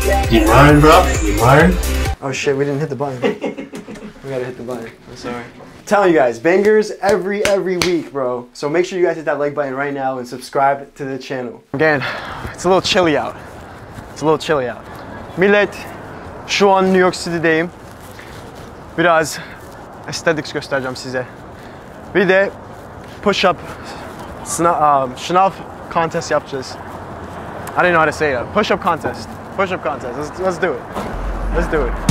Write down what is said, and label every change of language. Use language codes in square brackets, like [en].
[en] You mind, bruv? You mind? Oh shit, we didn't hit the button. We gotta hit the button. I'm sorry. Telling you guys, bangers every week, bro. So make sure you guys hit that like button right now and subscribe to the channel. Again, it's a little chilly out. [tr] Millet, şu an New York City'deyim. Biraz aesthetics göstereceğim size. Bir de push-up şınav contest yapacağız. [en] I didn't know how to say it. Push-up contest. Push-up contest. Let's do it.